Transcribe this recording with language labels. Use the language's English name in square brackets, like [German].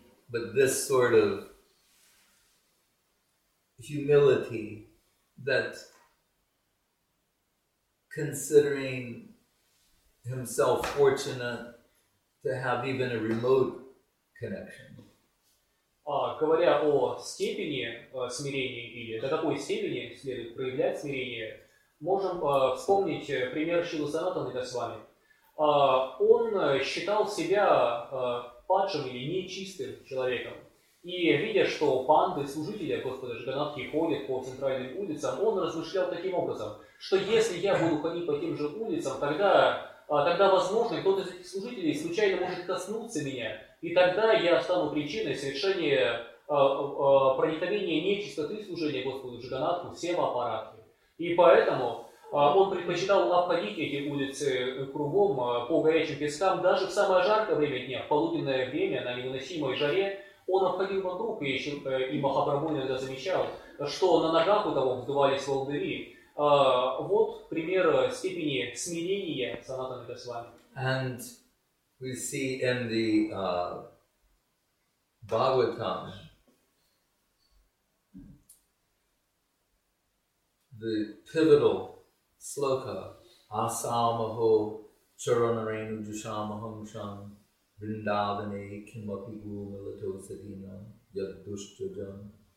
[English] But this sort of humility that considering himself fortunate to have even a remote connection. [Russian] Говоря о степени смирения, или до какой степени следует проявлять смирение, можем вспомнить пример Шрилы Санатаны Госвами. Он считал себя падшим или нечистым человеком. И видя, что панды, служители Господа Джаганатхи ходят по центральным улицам, он размышлял таким образом, что если я буду ходить по тем же улицам, тогда возможно, кто-то из этих служителей случайно может коснуться меня, и тогда я стану причиной совершения проникновения нечистоты служения Господу Джаганатху всем аппаратам. И поэтому он предпочитал обходить эти улицы кругом по горячим пескам, даже в самое жаркое время дня, в полуденное время, на невыносимой жаре, он обходил вокруг, и Махапрабху иногда замечал, что на ногах у того вздувались волдыри. Вот пример степени смирения Санатана Госвами. [English] And we see in the Bhagavatam the pivotal sloka [Sanskrit] Asamaho Charanarenu Dushamaham Sham Vrindavane Kimapi Gumilato Sadhina Yadushtajam